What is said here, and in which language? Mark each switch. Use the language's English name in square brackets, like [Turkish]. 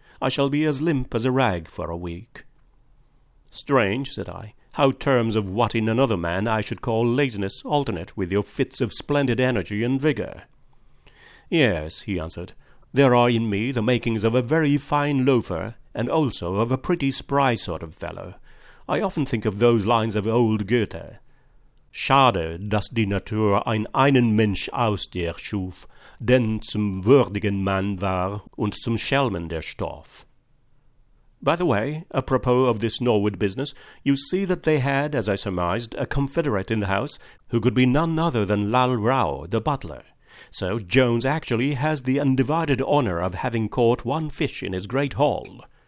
[English] I shall be as limp as a rag for a week. Strange, said I, how terms of what in another man I should call laziness alternate with your fits of splendid energy and vigour. Yes, he answered, there are in me the makings of a very fine loafer, and also of a pretty spry sort of fellow. I often think of those lines of old Goethe. [German] Schade, dass die Natur ein einen Mensch aus dir schuf, denn zum würdigen Mann war und zum Schelmen der Stoff. [English] By the way, apropos of this Norwood business, you see that they had, as I surmised, a confederate in the house who could be none other than Lal Rao, the butler. So Jones actually has the undivided honour of having caught one fish in his great haul.